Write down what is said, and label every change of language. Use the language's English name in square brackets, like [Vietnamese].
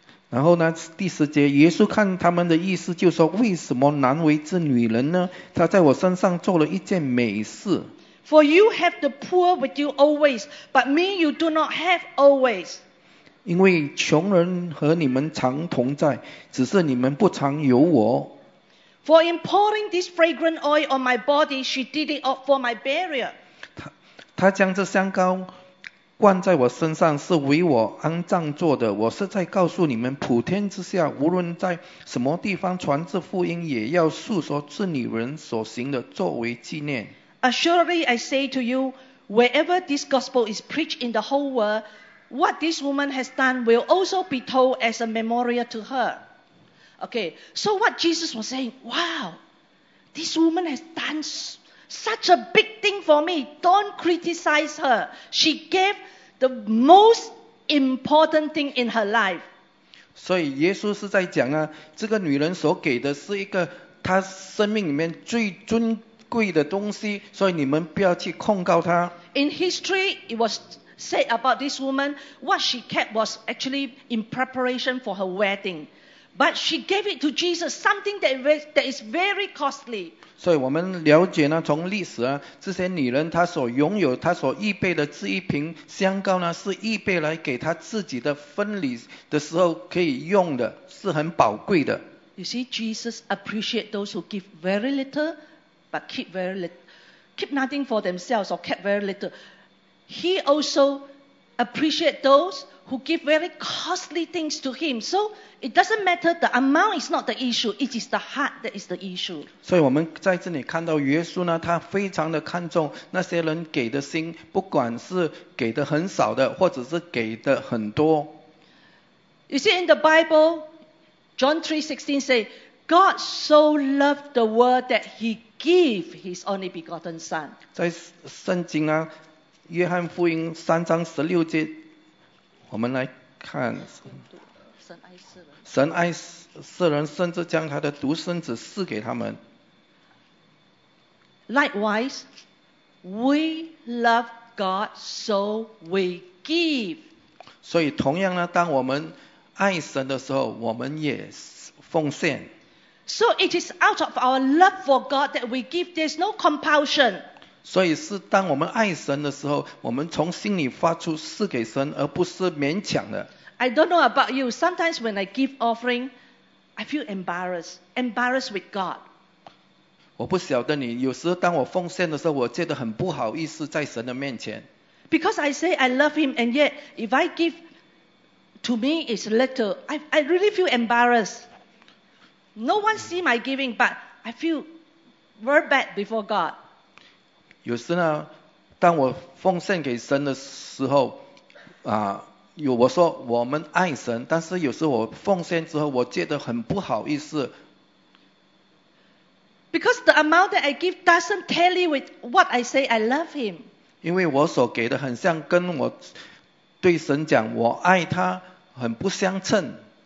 [Chinese] 然后呢，第十节，耶稣看他们的意思就说，为什么难为这女人呢？她在我身上做了一件美事。 [English] For you have the poor with you always, but me you do not have always. [Chinese] 因为穷人和你们常同在，只是你们不常有我。 [English] For in pouring this fragrant oil on my body, she did it all for my burial. [Chinese] 她将这香膏灌在我身上是为我安葬做的，我是在告诉你们，普天之下无论在什么地方传这福音，也要述说这女人所行的作为纪念。 [English] Assuredly I say to you, wherever this gospel is preached in the whole world, what this woman has done will also be told as a memorial to her. Okay, so what Jesus was saying, wow, this woman has done such a big thing for me. Don't criticize her. She gave the most important thing in her life. [Chinese] 所以耶稣是在讲啊，这个女人所给的是一个她生命里面最尊贵的东西，所以你们不要去控告她。 [English] In history, it was said about this woman, what she kept was actually in preparation for her wedding. But she gave it to Jesus, something that is very costly. [Chinese] 所以我们了解呢，从历史啊，这些女人她所拥有、她所预备的这一瓶香膏呢，是预备来给她自己的婚礼的时候可以用的，是很宝贵的。 [English] You see, Jesus appreciate those who give very little, but keep very little, keep nothing for themselves or kept very little. He also appreciate those who give very costly things to him. So it doesn't matter, the amount is not the issue, it is the heart that is the issue. [Chinese] 所以我们在这里看到耶稣呢，他非常的看重那些人给的心，不管是给的很少的或者是给的很多。 [English] You see in the Bible, John 3:16 say, God so loved the world that he gave his only begotten son. [Chinese] 在圣经啊，约翰福音三章十六节，我们来看，神爱世人，甚至将他的独生子赐给他们。 [English] Likewise, we love God, so we give. [Chinese] 所以同样呢，当我们爱神的时候，我们也奉献。 [English] So it is out of our love for God that we give. There's no compulsion. [Chinese] 所以是当我们爱神的时候，我们从心里发出赐给神，而不是勉强的。 [English] I don't know about you. Sometimes when I give offering, I feel embarrassed with God. [Chinese] 我不晓得你，有时当我奉献的时候，我觉得很不好意思在神的面前。 [English] Because I say I love him, and yet if I give to me it's little, I really feel embarrassed. No one see my giving, but I feel very bad before God. [Chinese] 有时呢，当我奉献给神的时候，有我说我们爱神，但是有时我奉献之后，我觉得很不好意思。 [English] Because the amount that I give doesn't tally with what I say I love him. [Chinese] 因为我所给的很像跟我对神讲我爱他很不相称。